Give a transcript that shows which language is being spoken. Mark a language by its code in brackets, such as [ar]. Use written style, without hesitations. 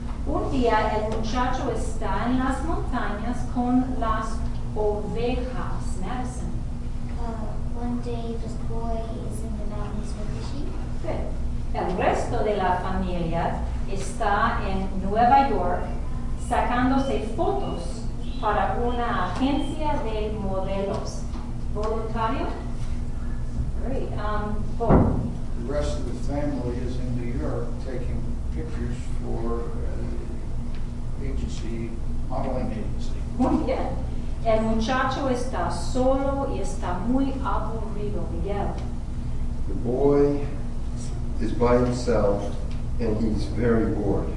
[es] Un día el muchacho está en las montañas con las ovejas. [en] Madison. One day the boy is in the mountains with the sheep. Good. [es] El resto de la familia está en Nueva York sacándose fotos para una agencia de modelos. [en] Voluntario? Great. Bob. The rest of the family is in New York taking pictures for an agency, modeling agency. [es] Muy bien. El muchacho está solo y está muy aburrido. [en] Miguel. The boy is by himself, and he's very bored.